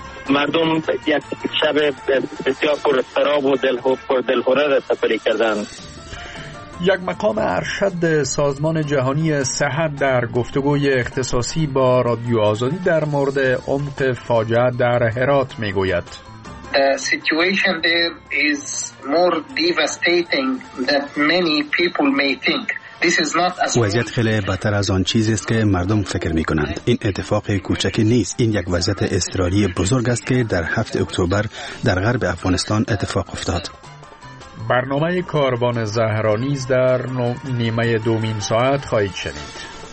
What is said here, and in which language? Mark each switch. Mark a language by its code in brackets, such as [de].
[fa] مردم یک شب بسیار پر اضطراب و دلهره سپری کردند. یک مقام ارشد سازمان جهانی صحت در گفتگوی اختصاصی با رادیو آزادی در مورد عمق فاجعه در هرات می گوید: [en] The situation there is more devastating than many people may think. [fa] وضعیت خیلی بدتر از آن چیزی است که مردم فکر می کنند. این اتفاق کوچکی نیست. این یک وضعیت اضطراری بزرگ است که در 7 اکتبر در غرب افغانستان اتفاق افتاد. برنامه کاروان زهرانیز در نیمه دومین ساعت خواهید شنید.